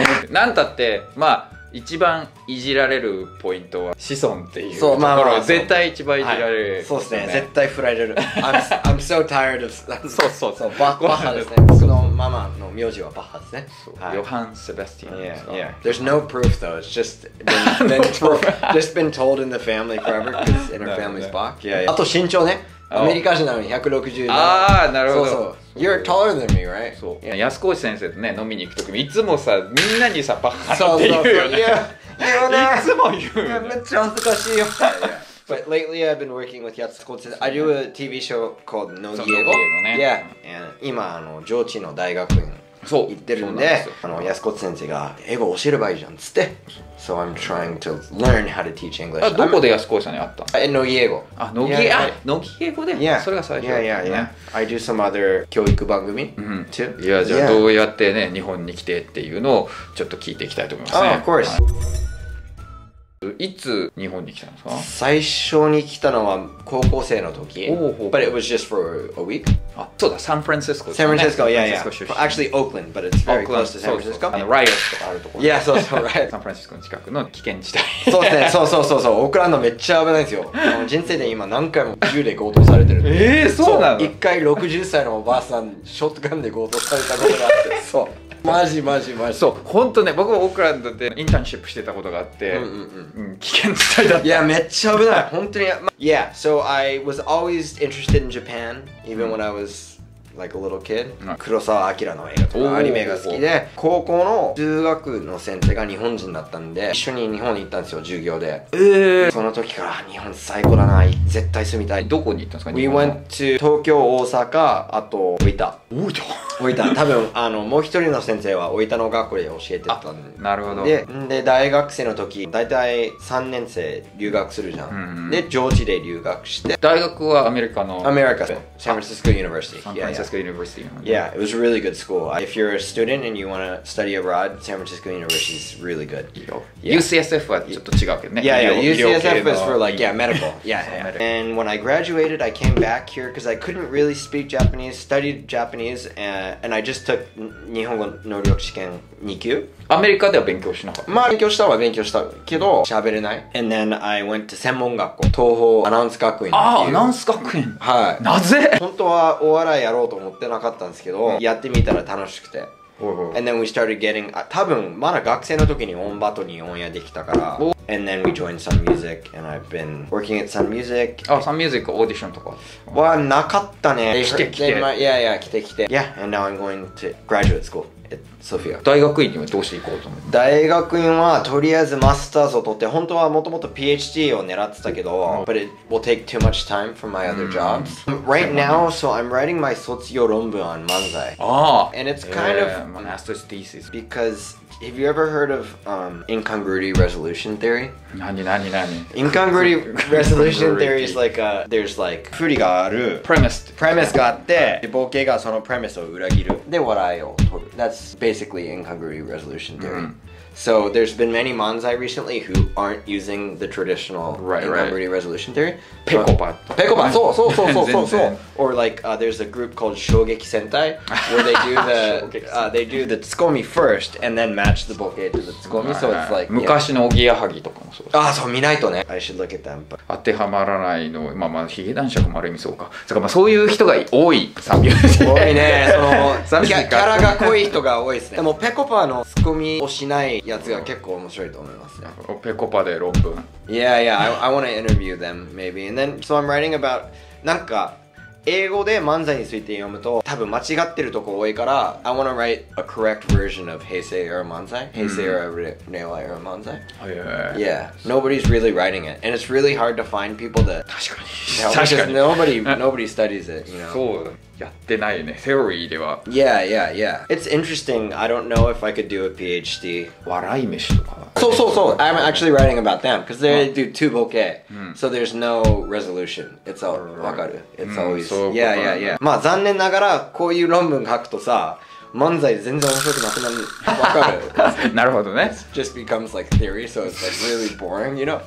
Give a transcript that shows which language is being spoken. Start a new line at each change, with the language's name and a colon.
Japanese: 何たって、まあ一番いじられるポイントは子孫っていうところ、まあまあ、絶対一番いじられる、はい、そうですね、絶対振られる。
English: I'm so tired of
Japanese: そうそうそう、バッハですね。僕のママの名字はバッハですね。はい、ヨハン・セバスティアン。
English: Yeah, yeah. There's no proof though. It's just been, been told in the family forever because in her family's back. Yeah, yeah.
Japanese: あと身長ね、アメリカ人なのに160。ああ、なるほど。そうそう。
English: You're taller than me, right?
Japanese: そう。安越先生とね、飲みに行くときも、いつもさ、みんなにさ、バカって言うよね。言うね。いつも言う。いや、めっちゃ恥ずかしいよ。
English: But lately I've been working with 安越先生。I do a TV show called 乃木英語。
Japanese: 今、上智の大学院行ってるんで、安越先生が英語教えればいいじゃんっつって。
English: So I'm trying to learn how to teach English.
Japanese: どこで安越さんに会った？え、乃木英語。あ、乃木、あ、乃木英語で。いや、それが最初。いやいやいや。
English: I do some other 教育番組。
Japanese: うん。いや、じゃあどうやってね、日本に来てっていうのをちょっと聞いていきたいと思いますね。
English: Of course。
Japanese: いつ日本に来たんですか？最初に来たのは高校生の時。おお。
English: But it was just for a week。
Japanese: あ、そうだ、サンフランシスコ。サンフランシスコ、いやいや。
English: Actually Oakland, but it's very close to San Francisco。
Japanese: あのライオンとかあるところ。いや、そうそう、ライオン。サンフランシスコの近くの危険地帯。そうですね、そうそうそうそう。オークランドめっちゃ危ないですよ。人生で今何回も銃で強盗されてる。ええ、そうなの？一回60歳のおばあさんショットガンで強盗されたことがあって。そう。マジマジマジ、そう、本当ね、僕もオークランドでインターンシップしてたことがあって、危険地帯だった。いや、めっちゃ危ない、本当に。
English: Yeah, so I was always interested in Japan, even when I was like a little kid.
Japanese: 黒沢明の映画とかアニメが好きで、高校の数学の先生が日本人だったんで、一緒に日本に行ったんですよ、授業で。その時から、日本最高だな、絶対住みたい。どこに行ったんですか？
English: We went to 東京、大阪、あと、大分。
Japanese: 大分？大分、多分あのもう一人の先生は大分の学校で教えてたんで。なるほど。で大学生の時、大体3年生留学するじゃん。で、上智で留学して。大学はアメリカの？アメリカ、サンフランシスコ・ユニバーシティ。サンフランシスコ・ユニバーシティ。
English: Yeah, it was a really good school. If you're a student and you want to study abroad, San Francisco University is really good.
Japanese: UCSF はちょっと違うけどね。
English: Yeah, UCSF is for like, yeah, medical. Yeah. And when I graduated, I came back here because I couldn't really speak Japanese, studied Japanese, and I just took 日本語能力試験2級。
Japanese: アメリカでは勉強しなかった。まあ勉強したは勉強したけど喋れない。
English: And then I went to 専門学校、東邦アナウンス学院。
Japanese: ああ、アナウンス学院。はい。なぜ？本当はお笑いやろうと思ってなかったんですけど、やってみたら楽しくて。
English: And then we started getting、
Japanese: 多分まだ学生の時にオンバトにオンエアできたから。 And then we joined Sun Music and I've been working at Sun Music. Oh, Sun Music オーディションとか。わ、なかったね。来て来て。いやいや、来て来て。
English: Yeah, and now I'm going to graduate school
Japanese: ソフィア。大学院にはどうして行こうと思って。大学院はとりあえずマスターズを取って、本当はもともと PhD を狙ってたけど、
English: But it will take too much time for my other jobs. Right now, so I'm writing my 卒業論文 on 漫才. Ah. And it's kind of master's thesis. Because have you ever heard of incongruity resolution theory?
Japanese: 何何何
English: Incongruity resolution theory is like there's like
Japanese: 振りがある
English: premise
Japanese: があってボケがそのプレミスを裏切るで笑いを取る。
English: That's basically incongruity resolution theory. So there's been many manzai recently who aren't using the traditional incongruity resolution theory.
Japanese: ぺこぱ、そう。 Or like there's a group called 衝撃戦隊 where they do the they do the ツッコミ first and then match the ボケ to the ツッコミ. So it's like 昔のおぎやはぎとかもそう。ああ、そう見ないとね。
English: I should look at them.
Japanese: 当てはまらないの、まあヒゲ男爵もある意味そうか。だからまあそういう人が多い。サンミュージック。多いね。そのキャラが濃い人が多いですね。でもぺこぱのツッコミをしないやつが結構面白いと思いますね。ペコパで論文。
English: I want to interview them maybe. And then so I'm writing about
Japanese: なんか英語で漫才について読むと多分間違ってるとこ多いから
English: I want to write a correct version of 平成 era 漫才、平成 era 令和 era 漫才。Yeah. Nobody's really writing it, and it's really hard to find people that
Japanese: 確かに。
English: Nobody studies it. You know.
Japanese: そう。やってないね。セオリーでは。
English: Yeah. It's interesting. I don't know if I could do a PhD.
Japanese: 笑い飯とか。
English: So. I'm actually writing about them because they do two ボケ. So there's no resolution. It's all わかる。It's always. Yeah.
Japanese: まあ残念ながらこういう論文書くとさ、漫才全然面白くなくなる。わかる。なるほどね。
English: It just becomes like theory, so it's like really boring, you know.